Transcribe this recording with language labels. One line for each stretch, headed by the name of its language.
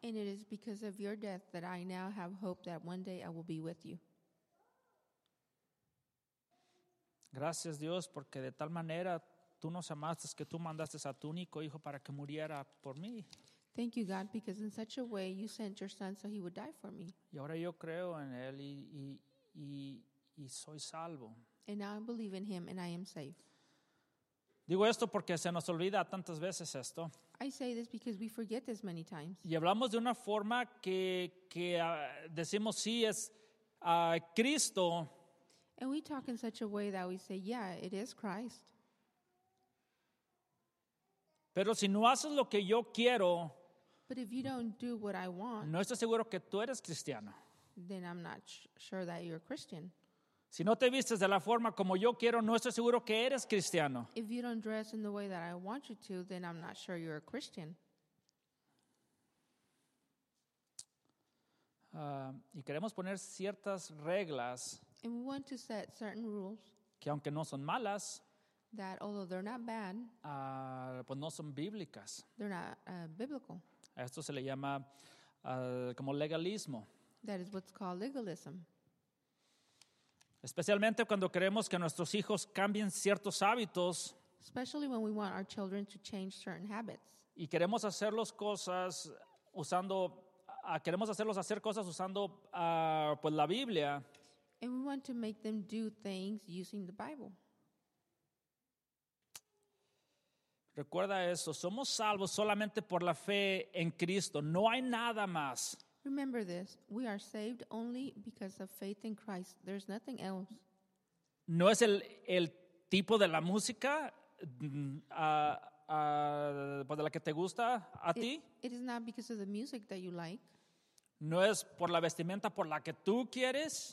English: And it is because of your death that I now have hope that one day I will be with you.
Spanish: Gracias Dios, porque de tal manera tú nos amaste que tú mandaste a tu único hijo para que muriera por mí.
English: Thank you God, because in such a way you sent your son so he would die for me.
Spanish: Y ahora yo creo en él y soy salvo.
English: And now I believe in him and I am safe.
Spanish: Digo esto porque se nos olvida tantas veces esto.
English: I say this because we forget this many times.
Spanish: Y hablamos de una forma que decimos sí es Cristo.
English: And we talk in such a way that we say, yeah, it is Christ.
Spanish: Pero si no haces lo que yo quiero,
English: but if you don't do what I want,
Spanish: no estoy seguro que tú eres cristiano.
English: Then I'm not sure that you're Christian.
Spanish: Si no te vistes de la forma como yo quiero, no estoy seguro que eres cristiano.
English: If you don't dress in the way that I want you to, then I'm not sure you're a Christian.
Spanish: Y queremos poner ciertas reglas.
English: And we want to set certain rules.
Spanish: Que aunque no son malas.
English: That although they're not bad.
Spanish: Pues no son bíblicas.
English: They're not biblical.
Spanish: A esto se le llama como legalismo.
English: That is what's called legalism.
Spanish: Especialmente cuando queremos que nuestros hijos cambien ciertos hábitos.
English: Especially when we want our children to change certain habits.
Spanish: Y queremos hacerlos cosas usando, queremos hacerlos hacer cosas usando pues la Biblia.
English: And we want to make them do things using the Bible.
Spanish: Recuerda eso. Somos salvos solamente por la fe en Cristo. No hay nada más.
English: Remember this. We are saved only because of faith in Christ. There's nothing else.
Spanish: No es el tipo de la música de la que te gusta a ti.
English: It is not because of the music that you like.
Spanish: No es por la vestimenta por la que tú quieres.